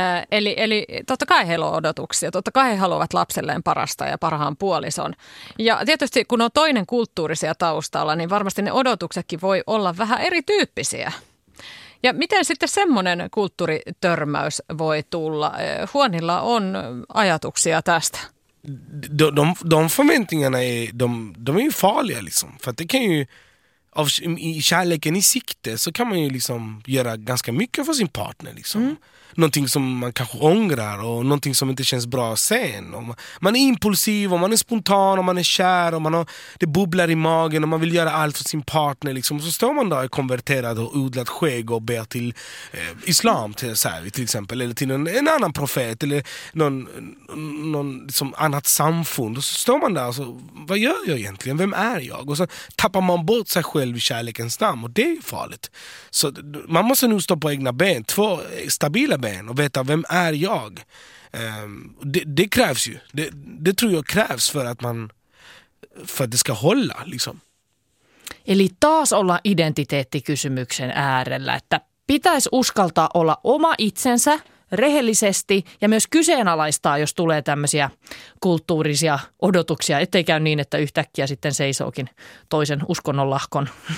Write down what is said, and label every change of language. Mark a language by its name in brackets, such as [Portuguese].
[Finnish] Eli totta kai heillä on odotuksia, totta kai he haluavat lapselleen parasta ja parhaan puolison. Ja tietysti kun on toinen kulttuurisia taustalla, niin varmasti ne odotuksetkin voi olla vähän erityyppisiä. Ja miten sitten semmoinen kulttuuritörmäys voi tulla? Huonilla on ajatuksia tästä. [Swedish] De förväntningarna är ju farliga liksom. För det kan ju, i kärleken i sikte, så kan man ju liksom göra ganska mycket för sin partner liksom. Mm. Någonting som man kanske ångrar och någonting som inte känns bra sen. Och man är impulsiv och man är spontan och man är kär och det bubblar i magen och man vill göra allt för sin partner. Liksom. Och så står man då konverterad och odlat skägg och ber till islam till exempel. Eller till en annan profet eller någon liksom annat samfund. Och så står man där och så, vad gör jag egentligen? Vem är jag? Och så tappar man bort sig själv i kärlekens namn och det är farligt. Så man måste nu stå på egna ben. Två stabila ben och veta vem är jag. Det krävs ju. Det tror jag krävs för att det ska hålla. Liksom. [Finnish] Eli taas olla identiteettikysymyksen äärellä, että pitäisi uskaltaa olla oma itsensä rehellisesti ja myös kyseenalaistaa, jos tulee tämmöisiä kulttuurisia odotuksia, ettei käy niin, että yhtäkkiä sitten seisookin toisen uskonnonlahkon